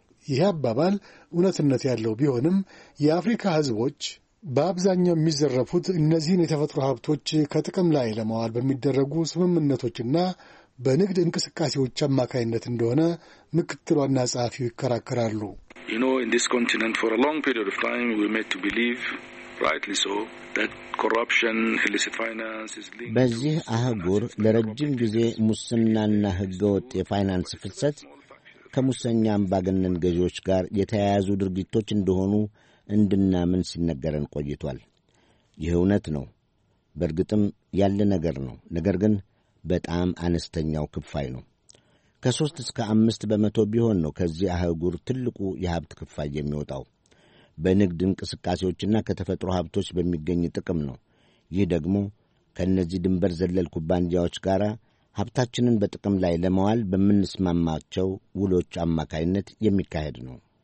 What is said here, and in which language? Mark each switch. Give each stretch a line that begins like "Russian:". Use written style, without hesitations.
Amharic: ይህ አባባል እውነትነት ያለው ቢሆንም የአፍሪካ ህዝቦች በአብዛኛው የሚዘረፉት እነዚህን የተፈጥሮ ሀብቶች ከጥቅም ላይ ለማዋል በሚደረጉ ስምምነቶችና በንግድ እንቅስቃሴዎች አማካይነት እንደሆነ ምክትል ዋና ጸሐፊው ይከራከራሉ።
English: You know, in this continent for a long period of time we were made to believe, rightly so, that corruption, illicit finance is linked.
Amharic: በዚህ አህጉር ለረጅም ጊዜ ሙስናና ህገወጥ የፋይናንስ ፍሰት ከሙሰኛ አምባገነን ገዢዎች ጋር የተያያዙ ድርጊቶች እንደሆኑ እንድናምን ሲነገረን ቆይቷል። ይህ እውነት ነው። በእርግጥም ያለ ነገር ነው። ነገር ግን በጣም አነስተኛው ክፋይ ነው። ከሶስት እስከ አምስት በመቶ ቢሆን ነው ከዚህ አህጉር ትልቁ የሀብት ክፋይ የሚወጣው። በንግድ እንቅስቃሴዎችና ከተፈጥሮ ሀብቶች በሚገኝ ጥቅም ነው። ይህ ደግሞ ከእነዚህ ድንበር ዘለል ኩባንያዎች ጋር ሀብታችንን በጥቅም ላይ ለመዋል በምንስማማቸው ውሎች አማካይነት የሚካሄድ ነው።